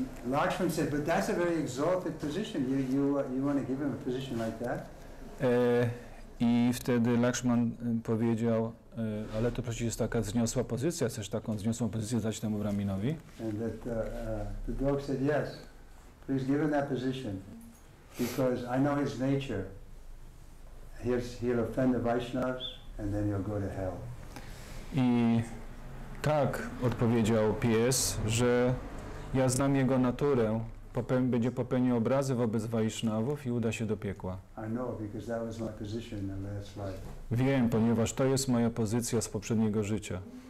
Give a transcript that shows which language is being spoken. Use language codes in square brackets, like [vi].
[en] Lakshman said, but that's a very exalted position. You want to give him a position like that? [pl] I wtedy Lakshman powiedział, ale to przecież jest taka wzniosła pozycja, chcesz taką wzniosłą pozycję dać temu Brahminowi? [en] And that the dog said, yes, please give him that position, because I know his nature. He'll offend the Vaishnavas, and then he'll go to hell. [pl] I tak odpowiedział pies, że ja znam jego naturę, będzie popełnił obrazy wobec Vaishnavów i uda się do piekła. [en] I know, because that was my position in the last life. [pl] Wiem, ponieważ to jest moja pozycja z poprzedniego życia.